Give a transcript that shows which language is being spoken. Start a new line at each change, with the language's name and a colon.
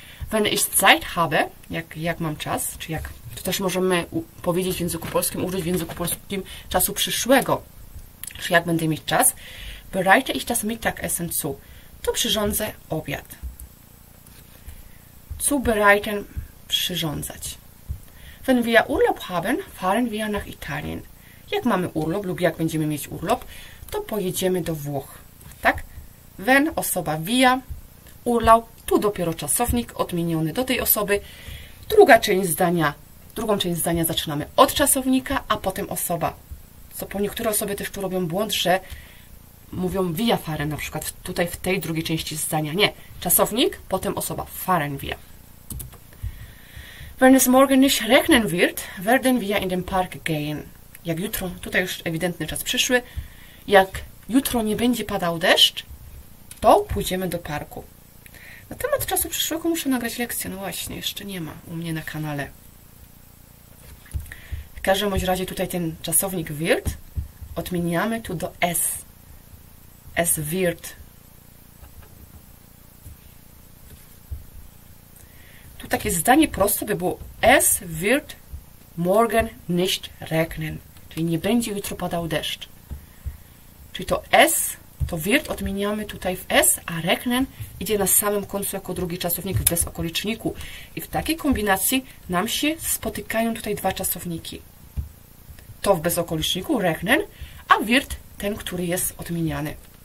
German: Wenn ich Zeit habe,
Polish: jak mam czas, czy jak, to też możemy powiedzieć w języku polskim, użyć w języku polskim czasu przyszłego, czy jak będę mieć czas,
German: bereite ich das Mittagessen zu,
Polish: to przyrządzę obiad. Zubereiten, przyrządzać.
German: Wenn wir Urlaub haben, fahren wir nach Italien.
Polish: Jak mamy urlop lub jak będziemy mieć urlop, to pojedziemy do Włoch. Tak? Wenn, osoba via, urlaub, tu dopiero czasownik odmieniony do tej osoby. Drugą część zdania zaczynamy od czasownika, a potem osoba. Co po niektóre osoby też tu robią błąd, że mówią via fahren, na przykład tutaj w tej drugiej części zdania. Nie, czasownik, potem osoba,
German: fahren via. Wenn es morgen nicht regnen wird, werden wir in den Park gehen.
Polish: Jak jutro, tutaj już ewidentny czas przyszły, jak jutro nie będzie padał deszcz, to pójdziemy do parku. Na temat czasu przyszłego muszę nagrać lekcję. No właśnie, jeszcze nie ma u mnie na kanale. W każdym bądź razie tutaj ten czasownik wird odmieniamy tu do s.
German: Es wird.
Polish: Tu takie zdanie proste by było
German: es wird morgen nicht regnen.
Polish: Czyli nie będzie jutro padał deszcz. Czyli to s. To wird odmieniamy tutaj w s, a regnen idzie na samym końcu jako drugi czasownik bez okoliczniku. I w takiej kombinacji nam się spotykają tutaj dwa czasowniki. To w bezokoliczniku, regnen, a wird ten, który jest odmieniany.